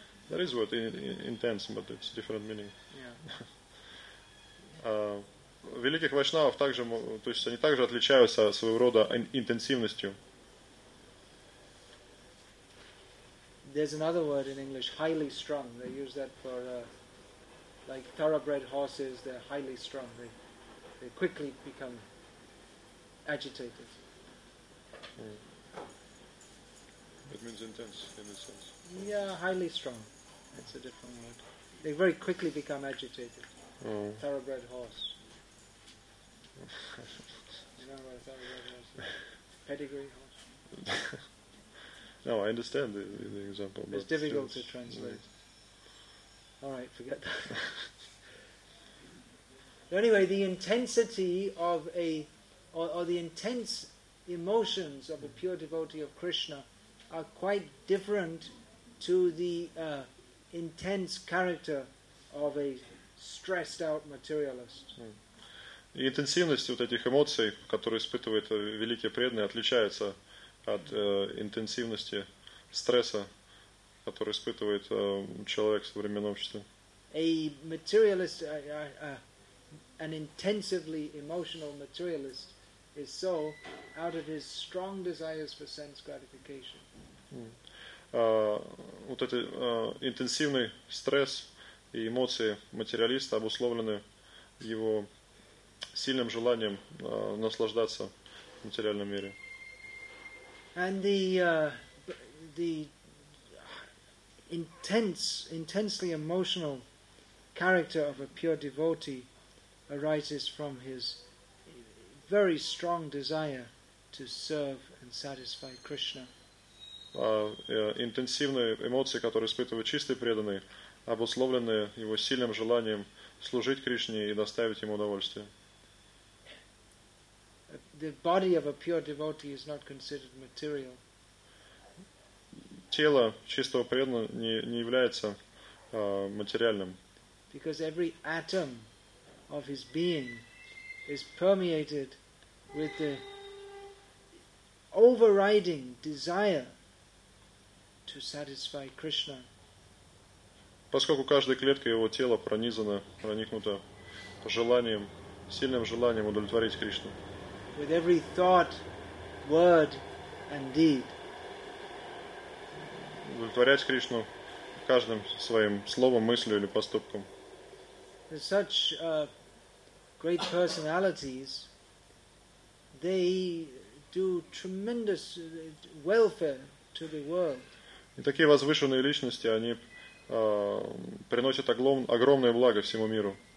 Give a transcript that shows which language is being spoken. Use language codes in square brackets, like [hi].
[en] There is word intense, but it's different meaning. [ru] Великих Вайшнавов также, то есть они также отличаются своего рода интенсивностью. [en] There's another word in English, highly strung. They use that for like thoroughbred horses. They're highly strung. They quickly become agitated. It means intense in a sense. Yeah, highly strung. That's a different word. They very quickly become agitated. Oh. Thoroughbred horse. You know what a thoroughbred horse is? Pedigree horse. No, I understand the example. It's difficult to translate. Yeah. All right, forget that. Anyway, the intensity of or the intense emotions of a pure devotee of Krishna are quite different to the intense character of a stressed out materialist. [ru] И интенсивность вот этих эмоций, которые испытывает великий преданный, отличается от интенсивности стресса, который испытывает человек в современном обществе. [en] A materialist, an intensively emotional materialist, is so out of his strong desires for sense gratification. [ru] Вот этот интенсивный стресс и эмоции материалиста обусловлены его сильным желанием наслаждаться в материальном мире. [en] And the intensely emotional character of a pure devotee arises from his very strong desire to serve and satisfy Krishna. [ru] Интенсивные эмоции, которые испытывает чистый преданный, обусловлены его сильным желанием служить Кришне и доставить ему удовольствие. [en] The body of a pure devotee is not considered material. [ru] Тело чистого преданного не является материальным. [en] Because every atom of his being is permeated with the overriding desire to satisfy Krishna. [ru] Поскольку каждая клетка его тела проникнута желанием, сильным желанием удовлетворить Кришну. [en] With every thought, word, and deed. [ru] Удовлетворять Кришну каждым своим словом, мыслью или поступком. [en] There's such great personalities, they do tremendous welfare to the world. [ru] И такие возвышенные личности, они приносят огромное благо всему миру.